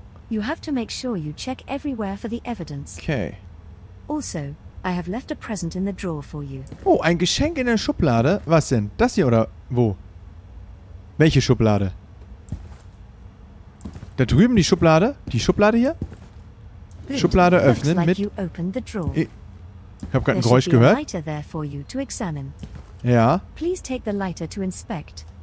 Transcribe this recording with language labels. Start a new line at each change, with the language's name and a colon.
English: You have to make sure you check everywhere for the evidence. Okay. Also, I have left a present in the drawer for you.
German: Oh, ein Geschenk in der Schublade? Was denn? Das hier oder wo? Welche Schublade? Da drüben die Schublade? Die Schublade hier?
English: Good.
German: Schublade öffnen
English: like
German: mit...
English: You opened the drawer.
German: Ich hab gerade ein Geräusch gehört.
English: Lighter there for you to examine.
German: Ja.
English: Please take the lighter to inspect.